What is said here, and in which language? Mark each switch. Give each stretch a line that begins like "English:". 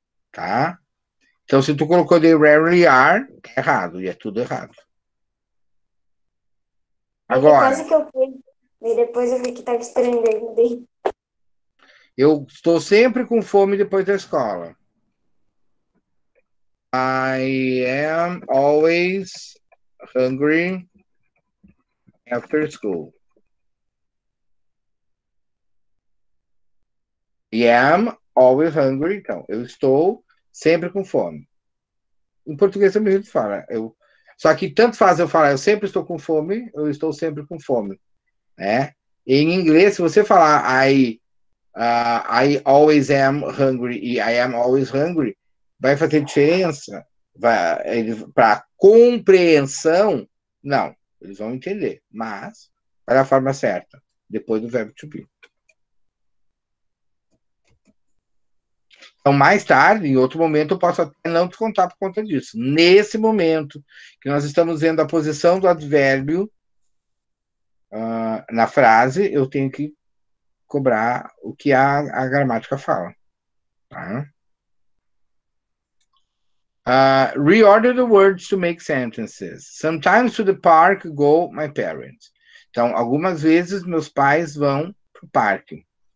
Portuguese: Tá? Então, se tu colocou
English: they rarely are,
Portuguese: é errado, e é tudo errado. Agora... Quase que eu fui, e depois eu vi que estava estranhando. Eu estou sempre com fome depois da escola.
English: I am always hungry after school. I am always hungry.
Portuguese: Então, eu estou sempre com fome. Em português, também a gente fala. Só que tanto faz eu falar, eu sempre estou com fome, eu estou sempre com fome. Né? Em inglês, se você falar
English: I always am hungry
Portuguese: e
English: I am always hungry,
Portuguese: vai fazer diferença. Para compreensão, não, eles vão entender, mas para a forma certa, depois do verbo to be. Então, mais tarde, em outro momento, eu posso até não te contar por conta disso. Nesse momento que nós estamos vendo a posição do advérbio na frase, eu tenho que cobrar o que a gramática fala. Tá?
English: Reorder the words to make sentences. Sometimes to the park go my parents.
Portuguese: Então, algumas vezes meus pais vão pro parque.